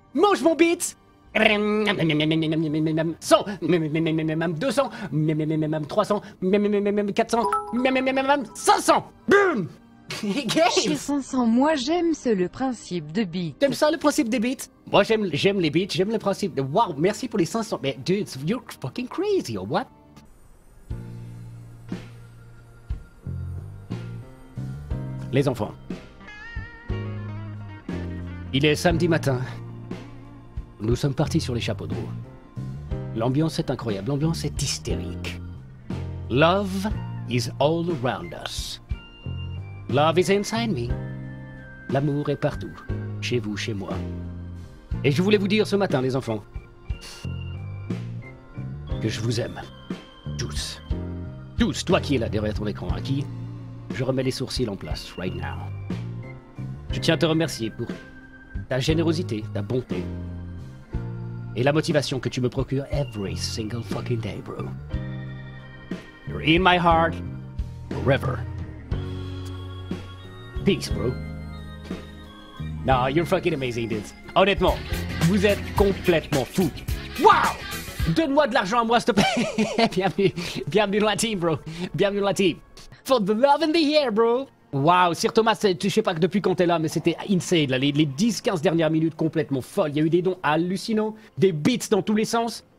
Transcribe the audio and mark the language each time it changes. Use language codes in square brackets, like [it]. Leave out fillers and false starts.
[fr] Mange mon beat. 100. 200. 300. 400. 500. Boum. Chez 500, moi j'aime ce le principe de beat. T'aimes ça le principe des beats? Moi j'aime les beats, j'aime le principe de... Waouh, merci pour les 500. Mais [en] dude, you're fucking crazy, or what? [fr] Les enfants, il est samedi matin, nous sommes partis sur les chapeaux de roue. L'ambiance est incroyable, l'ambiance est hystérique. [en] Love is all around us. Love is inside me. [fr] L'amour est partout, chez vous, chez moi. Et je voulais vous dire ce matin, les enfants, que je vous aime tous. Douce, toi qui es là derrière ton écran, à qui? Je remets les sourcils en place, [en] right now. [fr] Je tiens à te remercier pour ta générosité, ta bonté et la motivation que tu me procures [en] every single fucking day, bro. You're in my heart forever. Peace, bro. Nah, you're fucking amazing, dude. [fr] Honnêtement, vous êtes complètement fou. Wow! Donne-moi de l'argent à moi, s'il te plaît. Bienvenue dans la team, bro. Bienvenue dans la team. [en] For the love in the air, bro. [fr] Wow, Sir Thomas, je sais pas depuis quand t'es là, mais c'était insane, là. Les 10-15 dernières minutes complètement folles. Il y a eu des dons hallucinants, des beats dans tous les sens.